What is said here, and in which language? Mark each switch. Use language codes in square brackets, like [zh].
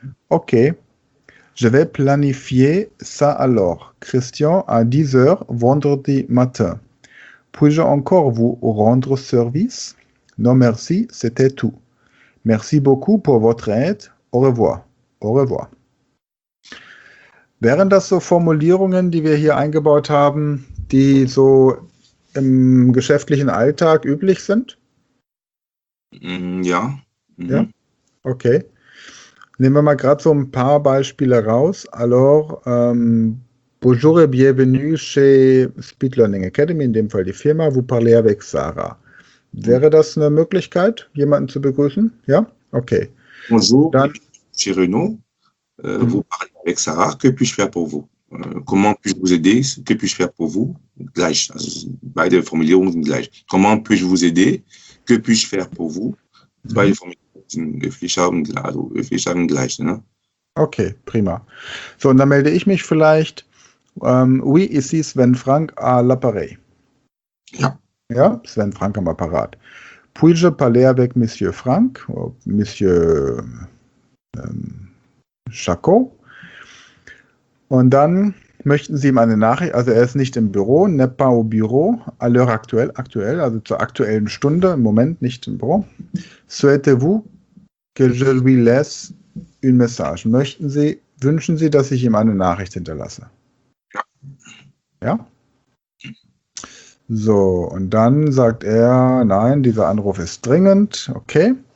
[fr] Ok, je vais planifier ça alors. Christian, à 10 heures vendredi matin. Puis-je encore vous rendre service? Non, merci, c'était tout. Merci beaucoup pour votre aide. Au revoir. Au revoir. [de] Wären das so Formulierungen, die wir hier eingebaut haben, die so im geschäftlichen Alltag üblich sind? Ja. Ja? Okay. Nehmen wir mal gerade so ein paar Beispiele raus. [fr] Alors, bonjour et bienvenue chez Speed Learning Academy, [de] in dem Fall die Firma. [fr] Vous parlez avec Sarah. [de] Wäre das eine Möglichkeit, jemanden zu begrüßen? Ja? Okay. [fr] Bonjour, [de] dann, [fr] chez Renault. Vous parlez avec Sarah, que puis-je faire pour vous? Comment puis-je vous aider? Que puis-je faire pour vous? [de] Gleich. Also, beide Formulierungen sind gleich. [fr] Comment puis-je vous aider? Que puis-je faire pour vous? [de] Beide Formulierungen sind öffentlich haben gleich. Ne? Okay, prima. So, und dann melde ich mich vielleicht. [fr] Oui, ici Sven Frank à l'appareil. [de] Ja. Ja, Sven Frank am Apparat. [fr] Puis-je parler avec Monsieur Frank, Monsieur Chaco? [de] Und dann möchten Sie ihm eine Nachricht, also er ist nicht im Büro, [fr] n'est pas au bureau, à l'heure actuelle, [de] aktuell, also zur aktuellen Stunde, im Moment nicht im Büro. [fr] Souhaitez-vous que je lui laisse une message? [de] Möchten Sie, wünschen Sie, dass ich ihm eine Nachricht hinterlasse? Ja. Ja? So, und dann sagt er, nein, dieser Anruf ist dringend, okay.